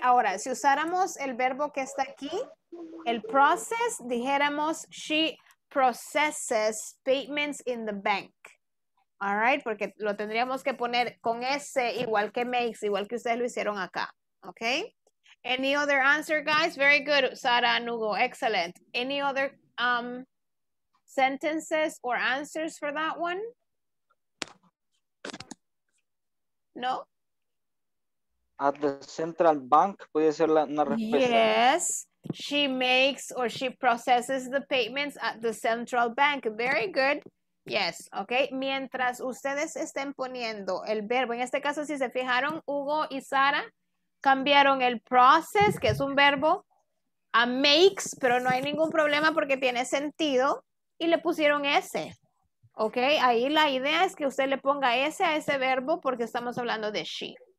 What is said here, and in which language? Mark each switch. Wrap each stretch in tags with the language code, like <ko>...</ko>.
<es>Ahora, si usáramos el verbo que está aquí, el process, dijéramos</es> <en>she processes payments in the bank. All right?</en> <es>Porque lo tendríamos que poner con S igual que makes, igual que ustedes lo hicieron acá.</es> <en>Okay? Any other answer, guys? Very good, Sara and Hugo. Excellent. Any other sentences or answers for that one? No? At the central bank,</en> <es>puede ser la, una respuesta.</es> <en>Yes, she makes or she processes the payments at the central bank. Very good. Yes, ok.</en> <es>Mientras ustedes estén poniendo el verbo, en este caso, si se fijaron, Hugo y Sara cambiaron el process, que es un verbo, a makes, pero no hay ningún problema porque tiene sentido, y le pusieron S. Ok, ahí la idea es que usted le ponga S a ese verbo porque estamos hablando de she.</es>